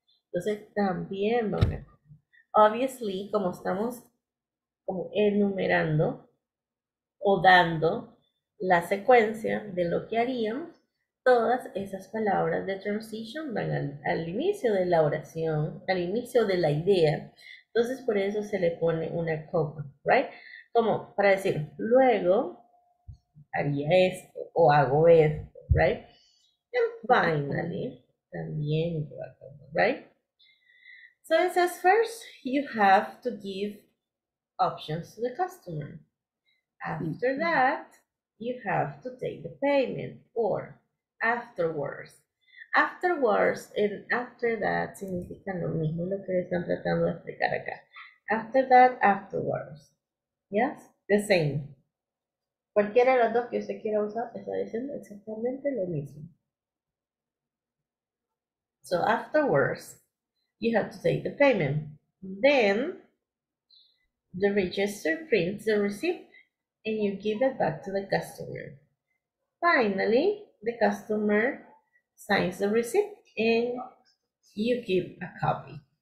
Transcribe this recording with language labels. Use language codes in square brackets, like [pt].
[es] Entonces, también va una coma. [en] Obviously, [es] como estamos como enumerando o dando la secuencia de lo que haríamos, todas esas palabras de transition van al inicio de la oración, al inicio de la idea. Entonces, por eso se le pone una coma, [en] right? [es] Como para decir, luego haría esto o hago esto, right? [en] And finally, [es] también, [en] right? So it says, first, you have to give options to the customer. After that, you have to take the payment, or afterwards. Afterwards and after that [es] significan lo mismo, lo que están tratando de explicar acá. [en] After that, afterwards. Yes, the same. [es] Cualquiera de los dos que usted quiera usar está diciendo exactamente lo mismo. [en] So afterwards, you have to take the payment. Then, the register prints the receipt and you give it back to the customer. Finally, the customer signs the receipt and you give a copy.